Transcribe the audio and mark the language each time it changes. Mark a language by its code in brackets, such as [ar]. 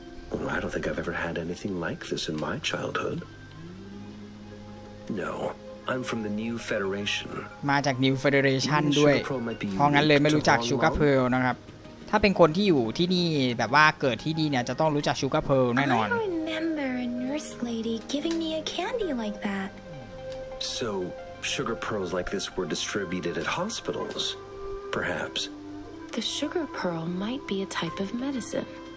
[en] Well, I don't think I've ever had anything like this in my childhood. No, I'm from the New Federation. [th] มาจาก New Federation ด้วยเพราะงั้นเลยไม่รู้จัก Sugar Pearl นะครับถ้าเป็นคนที่อยู่ที่นี่แบบว่าเกิดที่นี่เนี่ยจะต้องรู้จัก Sugar Pearl แน่นอน [en] I remember a nurse lady giving me a candy like that. So, sugar pearls like this were distributed at hospitals, perhaps. The sugar pearl might be a type of medicine.